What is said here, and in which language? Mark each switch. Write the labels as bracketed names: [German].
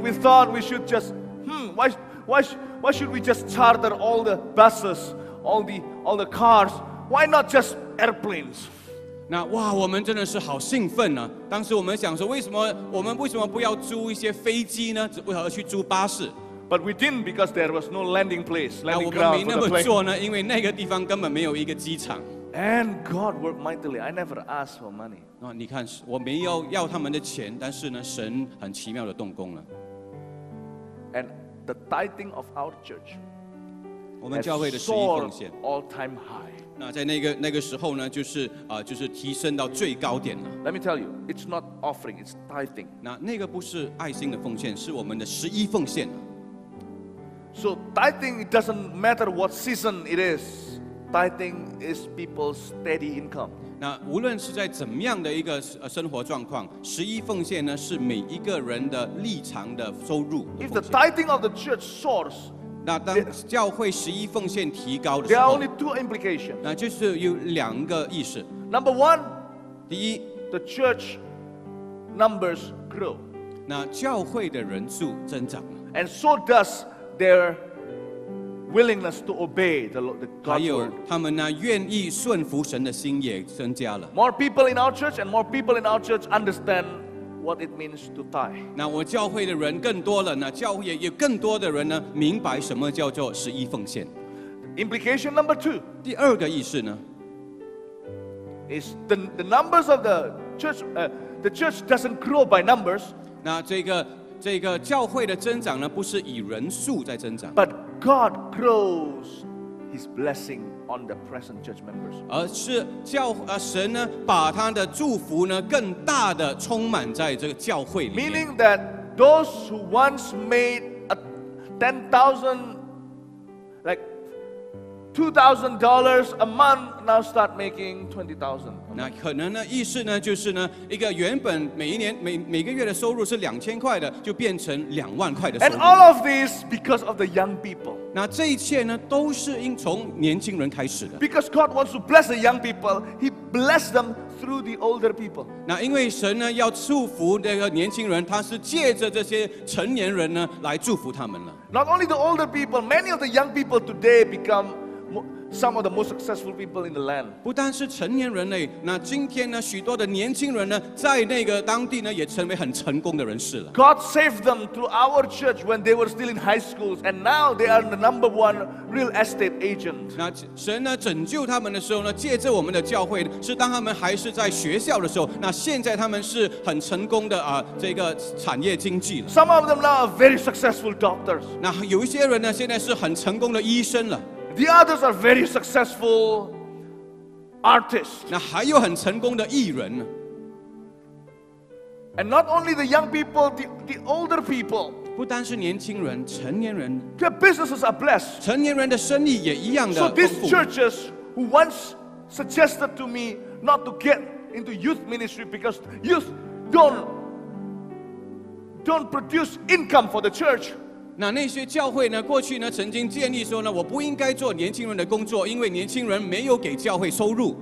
[English] We thought we should just, why should we just charter all the buses? All the cars. Why not just airplanes? [Chinese] 那哇，我们真的是好兴奋啊！当时我们想说，为什么不要租一些飞机呢？只为何去租巴士 [English] ？But we didn't because there was no landing place. [Chinese] 那我们没那么做呢，因为那个地方根本没有一个机场。 [English] And God worked mightily. I never asked for money. [Chinese] 那你看，我没有要他们的钱，但是呢，神很奇妙的动工了。 [English] And the tithing of our church. [Chinese] 我们教会的十一奉献 [English] all time high. [Chinese] 那在那个时候呢，就是提升到最高点了。 [English] Let me tell you, it's not offering, it's tithing. [Chinese] 那个不是爱心的奉献，是我们的十一奉献。 [English] So tithing, it doesn't matter what season it is. tithing is people's steady income. [Chinese] 那无论是在怎么样的一个生活状况，十一奉献呢是每一个人的立场的收入。 [English] If the tithing of the church soars, [Chinese] 那当教会十一奉献提高的时候 [English] there are only two implications. [Chinese] 那就是有两个意思。 [English] Number one, [Chinese] 第一 [English] the church numbers grow. [Chinese] 那教会的人数增长了。 [English] And so does their willingness to obey the God's word. [Chinese] 还有他们呢，愿意顺服神的心也增加了。 [English] More people in our church and more people in our church understand what it means to tithe. [Chinese] 那我教会的人更多了，那教会也有更多的人呢，明白什么叫做十一奉献。 [English] Implication number two. [Chinese] 第二个意思呢 [English] ，is the numbers of the church. The church doesn't grow by numbers. [Chinese] 那这个教会的增长呢，不是以人数在增长。 [English] But God grows His blessing on the present church members. [Chinese] 而是教神呢，把他的祝福呢，更大的充满在这个教会里面。 [English] Meaning that those who once made a $10,000, like $2,000 a month, now start making $20,000. [Chinese] 那可能呢，意思呢，就是呢，一个原本每个月的收入是2000块的，就变成20000块的收入。 [English] And all of this because of the young people. [Chinese] 那这一切呢，都是因从年轻人开始的。 [English] Because God wants to bless the young people, He blessed them through the older people. [Chinese] 那因为神呢，要祝福这个年轻人，他是借着这些成年人呢，来祝福他们了。 [English] Not only the older people, many of the young people today become some of the most successful people in the land. [Chinese] 不单是成年人类，那今天呢，许多的年轻人呢，在那个当地呢，也成为很成功的人士了。 [English] God saved them through our church when they were still in high schools, and now they are the number one real estate agent. [Chinese] 那神呢，拯救他们的时候呢，借着我们的教会，是当他们还是在学校的时候，那现在他们是很成功的啊，这个产业经济了。 [English] Some of them now are very successful doctors. [Chinese] 那有一些人呢，现在是很成功的医生了。 [English] The others are very successful artists. [Chinese] 那还有很成功的艺人呢。 [English] And not only the young people, the older people. [Chinese] 不单是年轻人，成年人。 [English] Their businesses are blessed. [Chinese] 成年人的生意也一样的丰富。 [English] So these churches who once suggested to me not to get into youth ministry because youth don't produce income for the church. [Chinese] 那些教会呢，过去呢曾经建议说呢，我不应该做年轻人的工作，因为年轻人没有给教会收入。